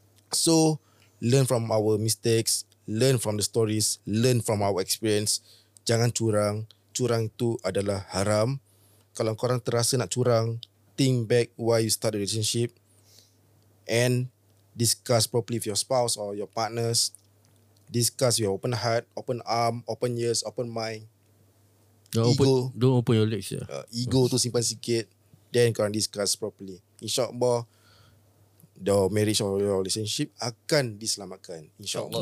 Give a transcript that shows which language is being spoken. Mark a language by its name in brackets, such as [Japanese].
[English] So learn from our mistakes, learn from the stories, learn from our experience. [Malay] Jangan curang. Curang itu adalah haram. Kalau korang terasa nak curang, [English] think back why you start the relationship and discuss properly with your spouse or your partners. Discuss your open heart, open arm, open ears, open mind. Don't ego, don't open your legs. Yeah. [Malay] Ego tu simpan sikit, [English] then [Malay] korang [English] discuss properly. [Malay] InsyaAllah, [English] your marriage or your relationship [Malay] akan diselamatkan. InsyaAllah.